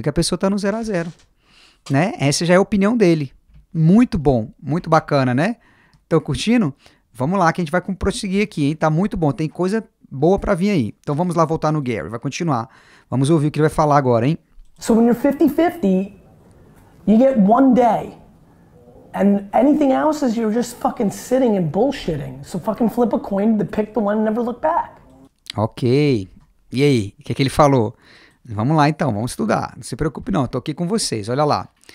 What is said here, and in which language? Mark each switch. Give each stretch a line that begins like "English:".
Portuguese: Que a pessoa está no 0-0, né? Essa já é a opinião dele. Muito bom, muito bacana, né? Estão curtindo? Vamos lá, que a gente vai prosseguir aqui, hein? Tá muito bom, tem coisa boa para vir aí. Então vamos lá voltar no Gary, vai continuar. Vamos ouvir o que ele vai falar agora, hein?
English: So when you're 50-50, you get one day. And anything else is you're just fucking sitting and bullshitting. So fucking flip a coin, pick the one and never look back.
Portuguese: Ok. E aí, o que, é que ele falou? Vamos lá então, vamos estudar. Não se preocupe não, tô aqui com vocês, olha lá.